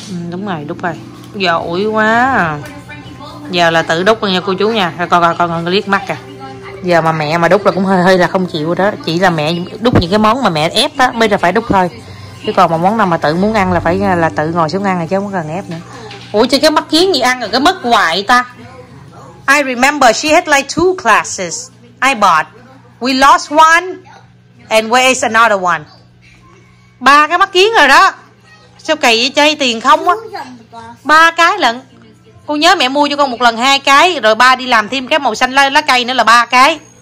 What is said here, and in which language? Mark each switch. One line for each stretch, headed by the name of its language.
Vietnamese: Đúng rồi, đúc rồi. Giỏi quá. Giờ là tự đúc rồi nha cô chú nha. Con liếc mắt kìa. Giờ mà mẹ mà đúc là cũng hơi là không chịu đó. Chỉ là mẹ đúc những cái món mà mẹ ép á, bây giờ phải đúc thôi. Chứ còn mà món nào mà tự muốn ăn là phải là tự ngồi xuống ăn rồi chứ không cần ép nữa. Ủa chứ cái mắt kiến gì ăn rồi cái mất hoài ta.
English: I remember she had like two glasses I bought. We lost one and where is another one?
Vietnamese: Ba cái mắt kiến rồi đó. Sao kỳ vậy, chơi tiền không á. Ba cái lận. Cô nhớ mẹ mua cho con một lần hai cái. Rồi ba đi làm thêm cái màu xanh lá cây nữa là ba cái.